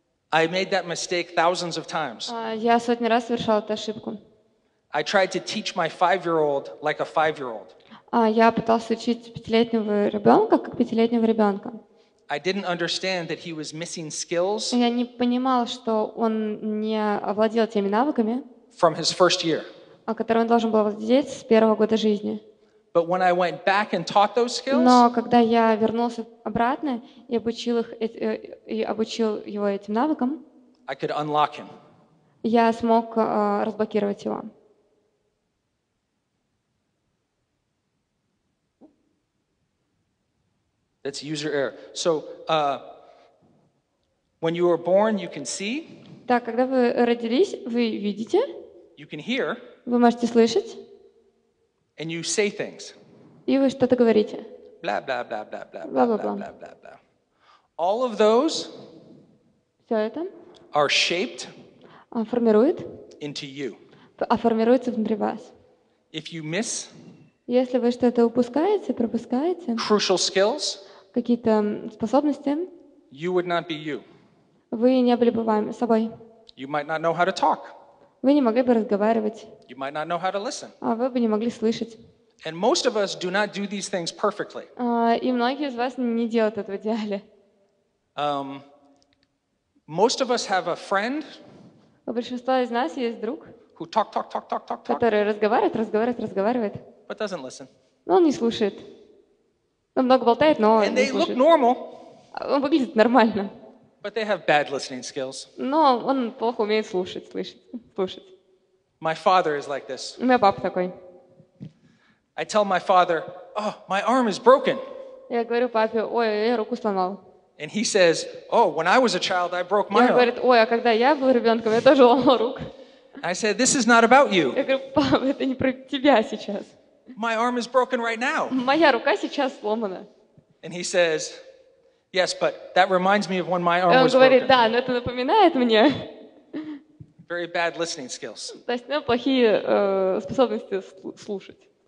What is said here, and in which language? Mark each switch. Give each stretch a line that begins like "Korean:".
English: I made that mistake thousands of times.
Russian: Я сотни раз совершал эту ошибку.
English: I tried to teach my five-year-old like a five-year-old.
Russian: Я пытался учить пятилетнего ребенка как пятилетнего ребенка.
English: I didn't understand that he was missing skills.
Russian: Я не понимал, что он не овладел теми навыками.
English: From his first year.
Russian: который он должен был владеть с первого года жизни.
English: But when I went back and taught those skills,
Russian: но когда я вернулся обратно и обучил их, и обучил его этим навыкам,
English: I could unlock him.
Russian: Я смог разблокировать его.
English: That's user error. So, when you are born, you can see.
Russian: Так, когда вы родились, вы видите.
English: You can hear.
Russian: Вы можете слышать.
English: And you say things. И вы что-то говорите. Bla bla bla bla bla bla bla bla bla bla bla. All of those.
Russian: Все это.
English: Are shaped.
Russian: Формируют.
English: Into you.
Russian: А формируются внутри вас.
English: If you miss.
Russian: Если вы что-то упускаете, пропускаете.
English: Crucial skills.
Russian: Какие-то способности.
English: You would not be you.
Russian: Вы не были бы вами, собой.
English: You might not know how to talk.
Russian: Вы не могли бы разговаривать.
English: You might not know how to listen.
Russian: А вы бы не могли слышать.
English: And most of us do not do these things perfectly.
Russian: И многие из вас не делают это в идеале.
English: Most of us have a friend.
Russian: У большинства из нас есть друг.
English: Who talk, talk, talk, talk, talk, talk.
Russian: Который разговаривает, разговаривает, разговаривает.
English: But doesn't listen.
Russian: Но он не слушает. Он много болтает, но
English: And they look normal.
Russian: Он выглядит нормально.
English: But they have bad listening skills.
Russian: Но он плохо умеет слушать, слышать.
English: My father is like this.
Russian: У меня папа такой.
English: I tell my father, "Oh, my arm is broken."
Russian: Я говорю папе: "Ой, я руку сломал."
English: And he says, "Oh, when I was a child, I broke my arm."
Russian: Он говорит: "Ой, а когда я был ребенком, я тоже ломал руку."
English: I said, "This is not about you."
Russian: Я говорю: "Пап, это не про тебя сейчас."
English: My arm is broken right now.
Russian: Моя рука сейчас сломана.
English: And he says, "Yes, but that reminds me of when my arm was broken."
Russian: Он говорит: "Да, но это напоминает мне."
English: Very bad listening skills.
Russian: То есть, ну, плохие способности слушать.